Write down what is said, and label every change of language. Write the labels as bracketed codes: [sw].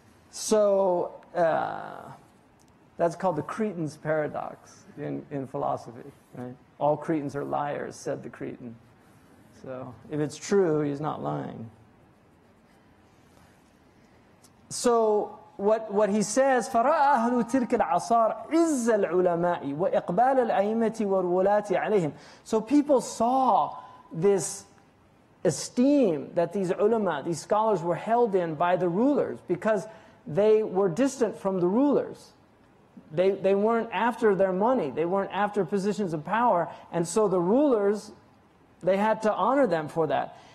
[en] So that's called the Cretans paradox in philosophy. Right? All Cretans are liars, said the Cretan. So if it's true, he's not lying. So what he says, [ar] فَرَأَ أَهْلُ تِلْكَ الْعَصَارِ عِزَّ الْعُلَمَاءِ وَإِقْبَالَ الْأَيْمَةِ وَالْوُلَاتِ عَلَيْهِمْ. [en] So people saw this esteem that these ulama, these scholars, were held in by the rulers, because they were distant from the rulers. They weren't after their money, they weren't after positions of power, and so the rulers, they had to honor them for that.